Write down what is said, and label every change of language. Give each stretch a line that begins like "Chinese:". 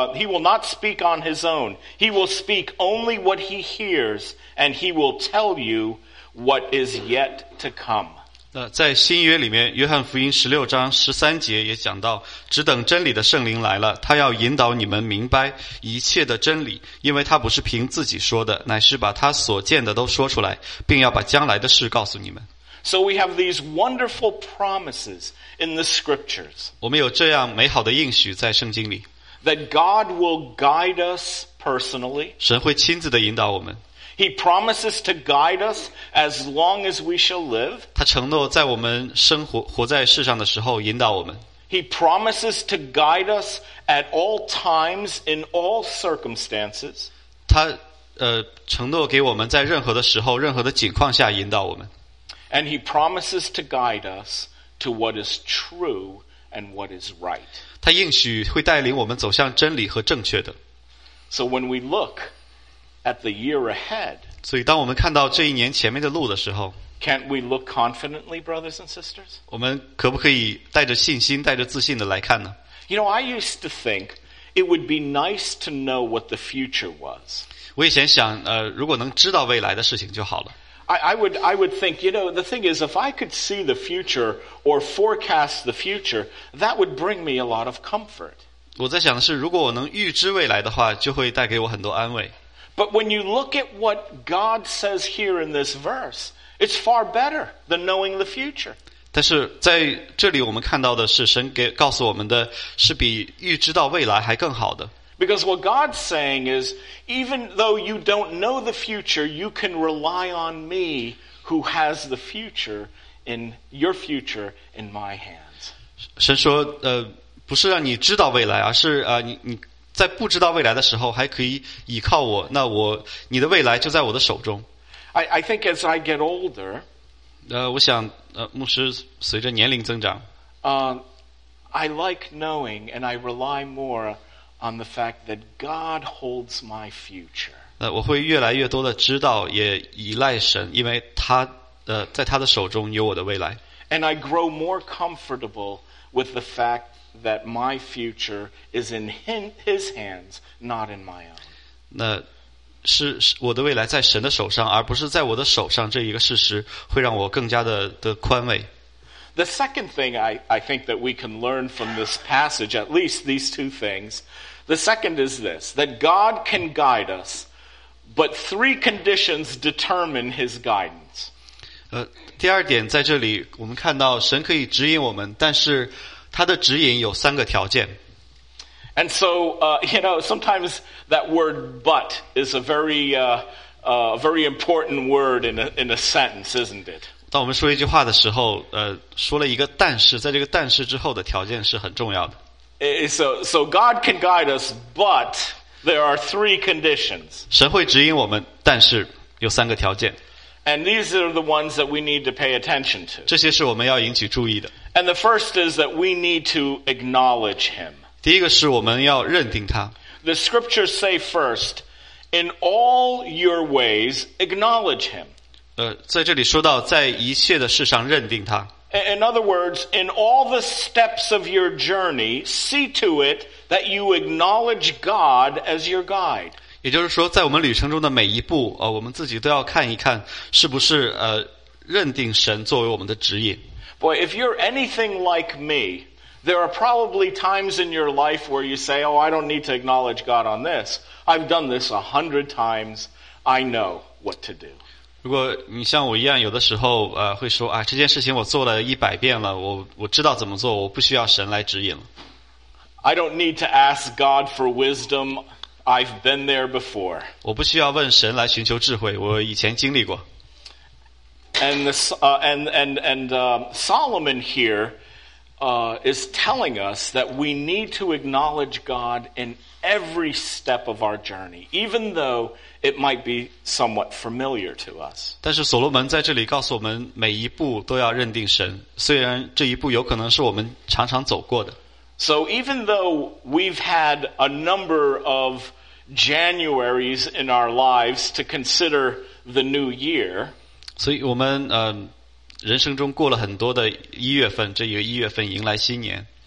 English: He will not speak on His own. He will speak only what He hears, and He will tell you what is yet to come.
Chinese: 在新约里面，约翰福音十六章十三节也讲到，只等真理的圣灵来了，他要引导你们明白一切的真理，因为他不是凭自己说的，乃是把他所见的都说出来，并要把将来的事告诉你们。
English: So we have these wonderful promises in the scriptures.
Chinese: 我们有这样美好的应许在圣经里。
English: That God will guide us personally.
Chinese: 神会亲自的引导我们。
English: He promises to guide us as long as we shall live.
Chinese: 他承诺在我们生活在世上的时候引导我们。
English: He promises to guide us at all times in all circumstances.
Chinese: 他承诺给我们在任何的时候任何的情况下引导我们。
English: And he promises to guide us to what is true and what is right.
Chinese: 他应许会带领我们走向真理和正确的。
English: So when we look at the year ahead.
Chinese: 所以当我们看到这一年前面的路的时候，
English: Can't we look confidently, brothers and sisters?
Chinese: 我们可不可以带着信心，带着自信的来看呢？
English: You know, I used to think it would be nice to know what the future was.
Chinese: 我以前想，如果能知道未来的事情就好了。
English: I would think, you know, the thing is, if I could see the future or forecast the future, that would bring me a lot of comfort.
Chinese: 我在想的是，如果我能预知未来的话，就会带给我很多安慰。
English: But when you look at what God says here in this verse, it's far better than knowing the future.
Chinese: 但是在这里我们看到的是神给告诉我们的是比预知到未来还更好的。
English: Because what God's saying is, even though you don't know the future, you can rely on me who has the future in your future in my hands.
Chinese: 神说不是让你知道未来，而是你在不知道未来的时候还可以依靠我，那我你的未来就在我的手中。
English: I think as I get older,
Chinese: 我想牧师随着年龄增长，
English: I like knowing and I rely more on the fact that God holds my future.
Chinese: 我会越来越多的知道也依赖神，因为他在他的手中有我的未来。
English: And I grow more comfortable with the fact that my future is in his hands, not in my own.
Chinese: 那是我的未来在神的手上，而不是在我的手上。这一个事实会让我更加的宽慰。
English: The second thing I think that we can learn from this passage, at least these two things, the second is this, that God can guide us, but three conditions determine his guidance.
Chinese: 第二点在这里，我们看到神可以指引我们，但是他的指引有三个条件。
English: And so, you know, sometimes that word but is a very important word in a sentence, isn't it?
Chinese: 当我们说一句话的时候，说了一个但是，在这个但是之后的条件是很重要的。
English: So God can guide us, but there are three conditions.
Chinese: 神会指引我们，但是有三个条件。
English: And these are the ones that we need to pay attention to.
Chinese: 这些是我们要引起注意的。
English: And the first is that we need to acknowledge him.
Chinese: 第一个是我们要认定他。
English: The scriptures say first, in all your ways, acknowledge him.
Chinese: 在这里说到在一切的事上认定他。
English: In other words, in all the steps of your journey, see to it that you acknowledge God as your guide.
Chinese: 也就是说在我们旅程中的每一步，我们自己都要看一看是不是认定神作为我们的指引。
English: Boy, if you're anything like me, there are probably times in your life where you say, oh, I don't need to acknowledge God on this. I've done this 100 times. I know what to do.
Chinese: 如果你像我一样，有的时候会说，这件事情我做了100遍了，我知道怎么做，我不需要神来指引了。
English: I don't need to ask God for wisdom. I've been there before.
Chinese: 我不需要问神来寻求智慧，我以前经历过。
English: And this, Solomon here, is telling us that we need to acknowledge God in every step of our journey, even though it might be somewhat familiar to us.
Chinese: 但是所罗门在这里告诉我们，每一步都要认定神，虽然这一步有可能是我们常常走过的。
English: So even though we've had a number of Januaries in our lives to consider the new year,
Chinese: 所以我们人生中过了很多的一月份，这一个一月份迎来新年。